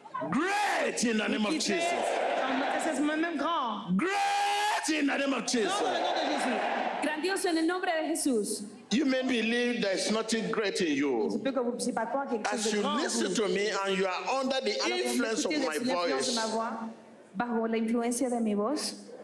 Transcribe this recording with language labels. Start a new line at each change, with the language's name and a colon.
English: Great in the name of Jesus. Great in the name of Jesus.
Spanish: Grandioso en el nombre de Jesús.
English: You may believe there is nothing great in you. As you listen to me and you are under the influence of my voice,
Spanish: bajo la influencia de mi voz,